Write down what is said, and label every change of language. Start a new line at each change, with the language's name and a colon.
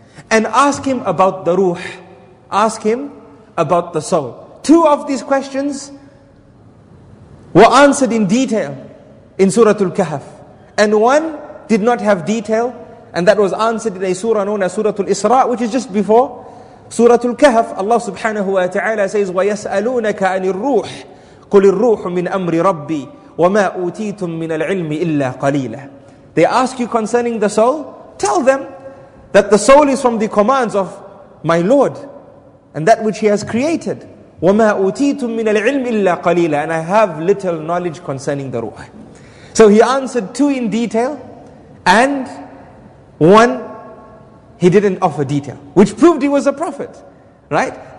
English: And ask him about the ruh. Ask him about the soul. Two of these questions were answered in detail in Surah Al-Kahf. And one did not have detail, and that was answered in a surah known as Surah Al-Isra, which is just before Surah Al-Kahf. Allah subhanahu wa ta'ala says,
Arabic: وَيَسْأَلُونَكَ عَنِ الْرُوحِ قُلِ الْرُوحُ مِنْ أَمْرِ رَبِّي وَمَا أُوتِيتُم مِّنَ الْعِلْمِ إِلَّا قَلِيلًا.
English: They ask you concerning the soul, tell them that the soul is from the commands of my Lord and that which He has created.
Arabic: وَمَا أُوتِيتُم مِّنَ الْعِلْمِ إِلَّا قَلِيلًا.
English: And I have little knowledge concerning the ruh. So he answered two in detail, and one he didn't offer detail, which proved he was a prophet, right?